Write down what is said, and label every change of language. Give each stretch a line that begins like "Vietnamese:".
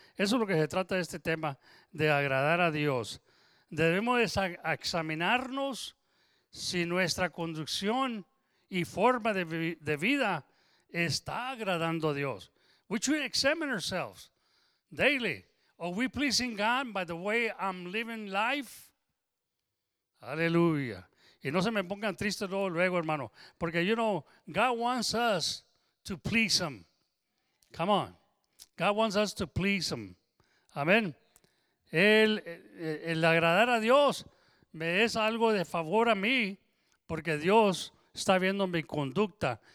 Spanish: Eso es lo que se trata de este tema, de agradar a Dios. Debemos examinarnos si nuestra conducción y forma de vida está agradando a Dios.
English: We should examine ourselves daily. Are we pleasing God by the way I'm living life? Hallelujah.
Spanish: Y no se me pongan tristes luego, hermano. Porque,
English: you know, God wants us to please him. Come on. God wants us to please him. Amen.
Spanish: El agradar a Dios me es algo de favor a mí, porque Dios está viendo mi conducta.